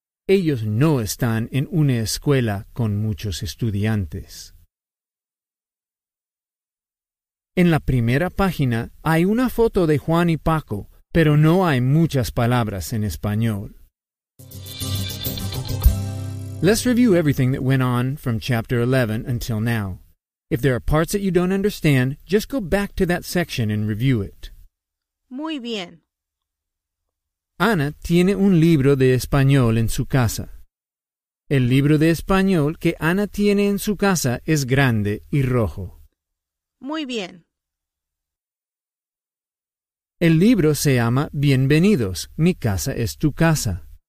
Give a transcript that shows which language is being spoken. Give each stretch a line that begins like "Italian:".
Spanish: Ellos no están en una escuela con muchos estudiantes. En la primera página hay una foto de Juan y Paco, pero no hay muchas palabras en español.
English: Let's review everything that went on from chapter 11 until now. If there are parts that you don't understand, just go back to that section and review it.
Spanish: Muy bien. Ana tiene un libro de español en su casa. El libro de español que Ana tiene en su casa es grande y rojo. Muy bien. El libro se llama Bienvenidos, mi casa es tu casa.